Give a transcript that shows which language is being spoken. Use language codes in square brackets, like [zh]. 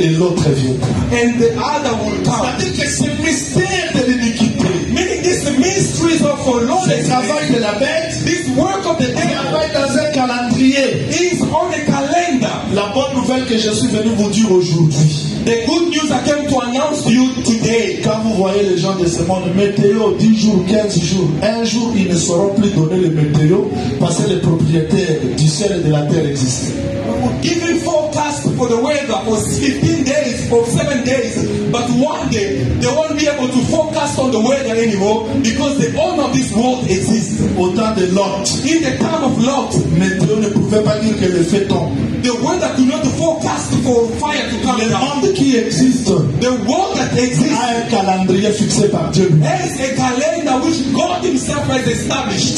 [fr] et l'autre vient. [en] And the other will come. [fr] C'est-à-dire que c'est le mystère de l'iniquité. [en] Meaning this mystery is of our Lord. [fr] Le travail de la bête. [en] This work of the devil. Is on a calendar. [fr] La bonne nouvelle que je suis venu vous dire aujourd'hui. [en] The good news I came to announce to you today. [fr] Quand vous voyez les gens de ce monde, météo, 10 jours, 15 jours, un jour, ils ne seront plus donnés le météo parce que les propriétaires du ciel et de la terre existent. [en] Even forecast for the weather for 15 days, for 7 days, but one day, they won't be able to forecast on the weather anymore because the owner of this world exists. [fr] Au temps de Lot. [en] In the time of Lot. [fr] Mais Dieu ne pouvait pas dire que le feu tombe. [en] The weather could not forecast for fire to come. [fr] Le monde qui existe. [en] The world that exists. [fr] A un calendrier fixé par Dieu. [en] Has a calendar which God himself has established.